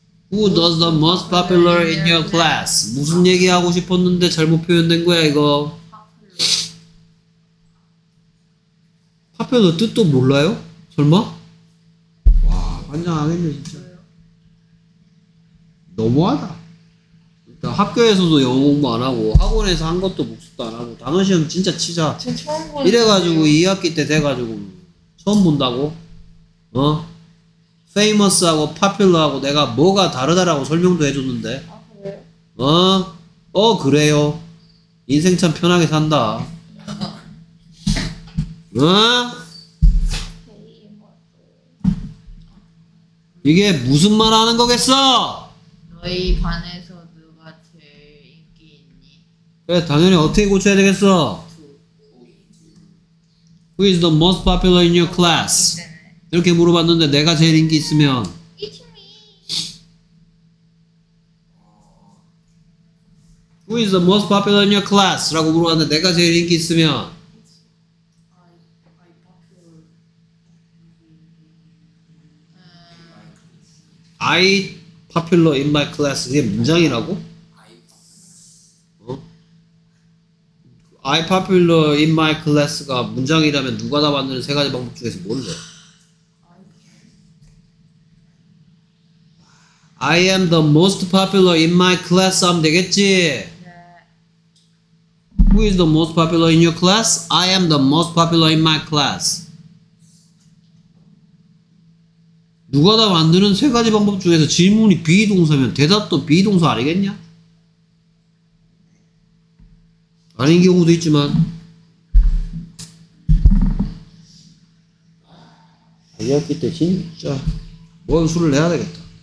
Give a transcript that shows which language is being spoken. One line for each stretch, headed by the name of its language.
English: Who does the most popular in your class?
Korean: 무슨 얘기하고 싶었는데 잘못 표현된 거야 이거. popular 뜻도 몰라요? 설마? 와 환장하겠네 진짜. 너무하다. 일단 학교에서도 영어 공부 안 하고 학원에서 한 것도 복습도 안 하고 단어 시험 진짜 치자. 처음 보는 이래가지고 거예요. 2학기 때 돼가지고 처음 본다고? 어? famous하고 popular하고 내가 뭐가 다르다라고 설명도 해줬는데. 아 그래요? 어? 어 그래요. 인생 참 편하게 산다. 어? 이게 무슨 말 하는 거겠어? 너희 반에서 누가 제일 인기 있니? 그래 당연히 어떻게 고쳐야 되겠어?
English: Who is the most popular in your class?
Korean: 이렇게 물어봤는데 내가 제일 인기 있으면
English: It's me. Who is the most popular in your class?
Korean: 라고 물어봤는데 내가 제일 인기 있으면
English: I popular in my class.
Korean: 이게 문장이라고?
English: I popular in my class
Korean: 가 문장이라면 누가 다 만드는 세 가지 방법 중에서 뭔데?
English: I am the most popular in my class
Korean: 하면 되겠지? 네.
English: Who is the most popular in your class? I am the most popular in my class.
Korean: 누가 다 만드는 세 가지 방법 중에서 질문이 비동사면 대답도 비동사 아니겠냐? 아닌 경우도 있지만 2학기 때 진짜 뭔 수를 내야 되겠다.